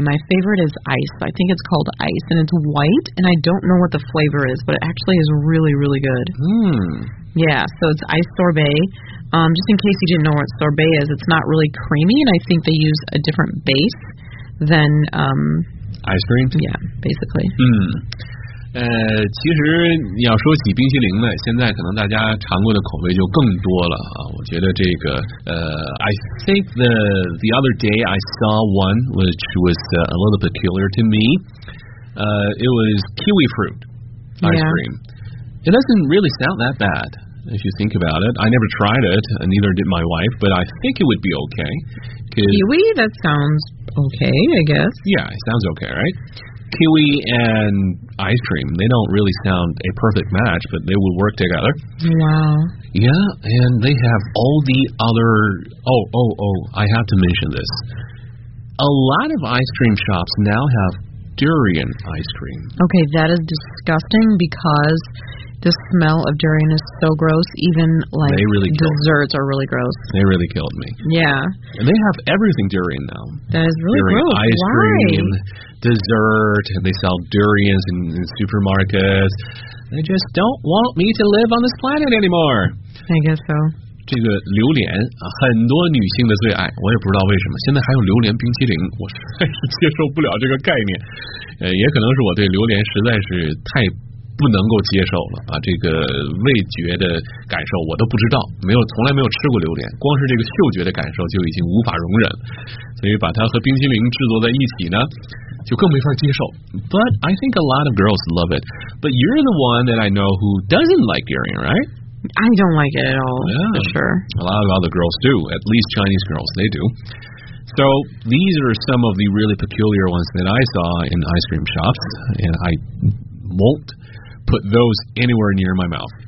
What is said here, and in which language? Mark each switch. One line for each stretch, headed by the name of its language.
English: My favorite is ice. I think it's called ice, and it's white, and I don't know what the flavor is, but it actually is really, really good. Yeah, so it's ice sorbet. Just in case you didn't know what sorbet is, it's not really creamy, and I think they use a different base than... ice cream? Yeah, basically. Mm.
Chinese: 其实要说起冰淇淋呢，现在可能大家尝过的口味就更多了啊。我觉得这个
English: I think the other day I saw one which was a little peculiar to me. It was kiwi fruit ice cream. It doesn't really sound that bad. If you think about it, I never tried it, neither did my wife, but I think it would be okay. Kiwi? That sounds okay, I guess. Yeah, it sounds okay, right? Kiwi and ice cream, they don't really sound a perfect match, but they will work together. Wow. Yeah, and they have all the other... Oh, I have to mention this. A lot of ice cream shops now have durian ice cream. Okay, that is disgusting because... The smell of durian is so gross, even, like, desserts are really gross. They really killed me. Yeah. And they have everything durian, though. That is really gross. Durian ice cream, dessert, and they sell durians in supermarkets. They just don't want me to live on this planet anymore. I guess so.
Chinese: 这个榴莲很多女性的最爱我也不知道为什么现在还有榴莲冰淇淋我实在是接受不了这个概念也可能是我对榴莲实在是太不能够接受了啊这个味觉的感受我都不知道没有从来没有吃过榴莲光是这个嗅觉的感受就已经无法容忍所以把它和冰淇淋制作在一起呢就更没法接受。
English: But I think a lot of girls love it. But you're the one that I know who doesn't like durian, right? I don't like it at all, yeah, for sure. A lot of other girls do, at least Chinese girls, they do. So these are some of the really peculiar ones that I saw in ice cream shops, and I won't put those anywhere near my mouth.